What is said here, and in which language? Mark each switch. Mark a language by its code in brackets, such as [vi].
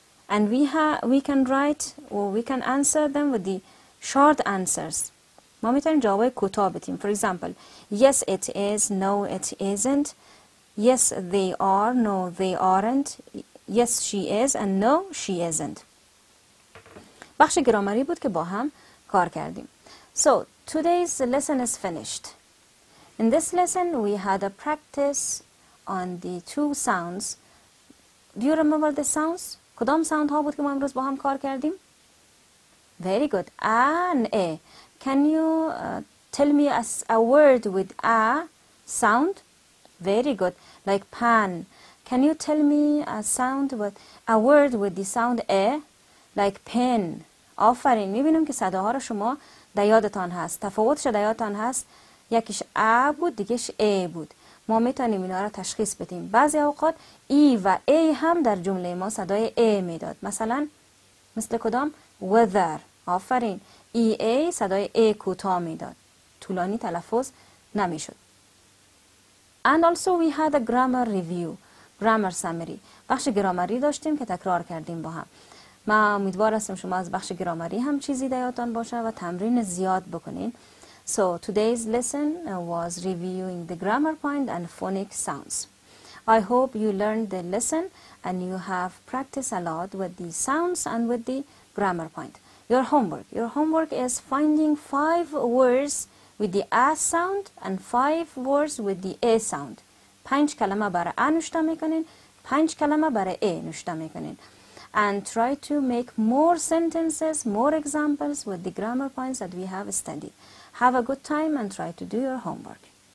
[en] And we can write or we can answer them with the short answers. [fa] ما میتونیم جوابای کوتاه بدیم. [en] For example, yes it is, no it isn't. Yes, they are. No, they aren't. Yes, she is. And no, she isn't. [fa] بخش گرامری بود که با هم کار کردیم. [en] So, today's lesson is finished. In this lesson, we had a practice on the two sounds. Do you remember the sounds? [fa] کدام sound ها بود که ما امروز با هم کار کردیم? [en] Very good. A and A. Can you tell me a word with a sound? Very good. Like pan. Can you tell me a word with the sound a? Like pen. آفرین. [fa] میبینم که صداها رو شما دیادتان هست. تفاوتش دیادتان هست. یکیش a بود دیگهش a بود. ما میتونیم اینا رو تشخیص بدیم. بعضی اوقات e و a هم در جمله ما صدای a میداد. مثلا مثل کدام؟ weather. آفرین. ea صدای a کوتاه میداد. طولانی تلفظ نمیشد. [en] And also we had a grammar review, grammar summary. [fa] بخش گرامری داشتیم که تکرار کردیم با هم. ما امیدوار هستم شما از بخش گرامری هم چیزی در یادتان باشه و تمرین زیاد بکنین. [en] So today's lesson was reviewing the grammar point and phonic sounds. I hope you learned the lesson and you have practiced a lot with the sounds and with the grammar point. Your homework. Your homework is finding five words with the A sound and five words with the A sound. [fa] پنج کلمه برای A نوشته میکنین. پنج کلمه برای A نوشته میکنین. [en] And try to make more sentences, more examples with the grammar points that we have studied. Have a good time and try to do your homework.